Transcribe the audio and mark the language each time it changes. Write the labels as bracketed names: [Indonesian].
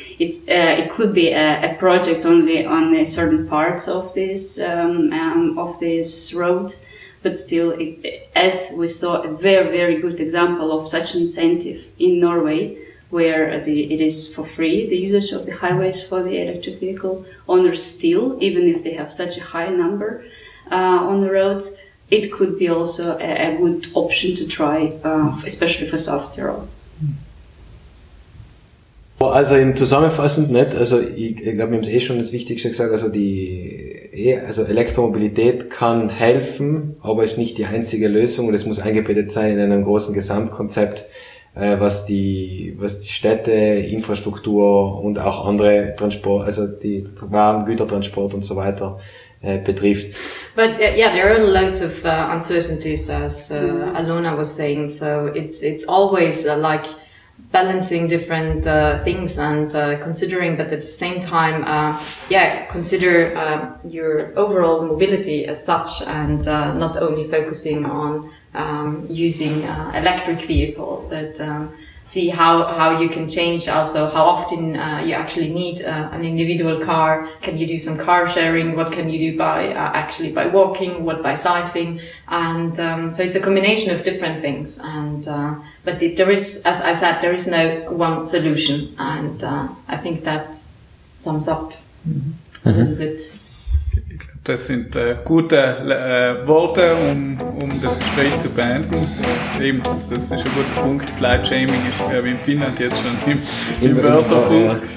[English] It could be a project only on a certain parts of this road, but still, as we saw, a very, very good example of such incentive in Norway, where it is for free, the usage of the highways for the electric vehicle owners still, even if they have such a high number on the roads, it could be also a good option to try, especially for software. [German] Well, also in zusammenfassend, nicht? Also ich glaube, wir haben es schon das Wichtigste gesagt, also Elektromobilität kann helfen, aber ist nicht die einzige Lösung und es muss eingebettet sein in einem großen Gesamtkonzept, was die Städte, Infrastruktur und auch andere Transport, also die Waren, Gütertransport und so weiter betrifft. [English] But there are loads of uncertainties, as Alona was saying. So it's always like balancing different things and considering, but at the same time, consider your overall mobility as such and not only focusing on using electric vehicle, but see how you can change also how often you actually need an individual car. Can you do some car sharing? What can you do by actually by walking? What by cycling? And so it's a combination of different things. And there is, as I said, there is no one solution. And I think that sums up mm-hmm. a little bit. [German] Das sind gute Worte, um das Gespräch zu beenden. Eben, das ist ein guter Punkt. Flight Shaming ist, glaube ich, in Finnland jetzt schon im Wörterbuch. Ja.